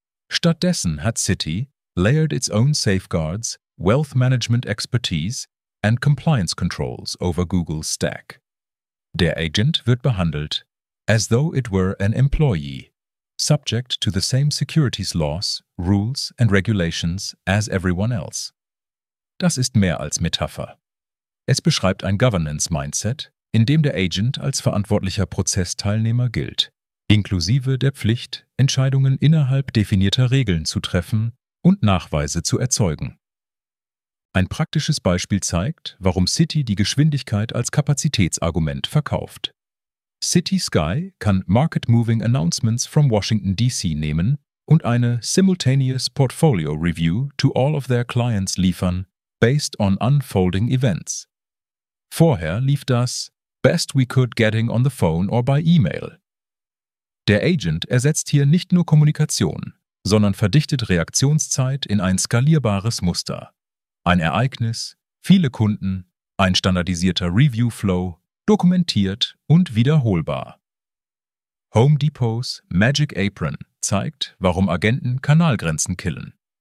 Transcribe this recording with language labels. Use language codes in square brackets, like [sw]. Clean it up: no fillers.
[de] Stattdessen hat [en] City layered its own safeguards, wealth management expertise and compliance controls over Google's stack. [de] Der Agent wird behandelt [en] as though it were an employee, subject to the same securities laws, rules and regulations as everyone else. [de] Das ist mehr als Metapher. Es beschreibt ein Governance-Mindset, in dem der Agent als verantwortlicher Prozessteilnehmer gilt, inklusive der Pflicht, Entscheidungen innerhalb definierter Regeln zu treffen und Nachweise zu erzeugen. Ein praktisches Beispiel zeigt, warum City die Geschwindigkeit als Kapazitätsargument verkauft. [en] City Sky kann Market-Moving Announcements from Washington DC [de] nehmen und eine [en] Simultaneous Portfolio Review to all of their clients liefern, based on unfolding events. [de] Vorher lief das [en] Best we could getting on the phone or by email. [de] Der Agent ersetzt hier nicht nur Kommunikation, sondern verdichtet Reaktionszeit in ein skalierbares Muster. Ein Ereignis, viele Kunden, ein standardisierter Review-Flow, dokumentiert und wiederholbar. Home Depots Magic Apron zeigt, warum Agenten Kanalgrenzen killen.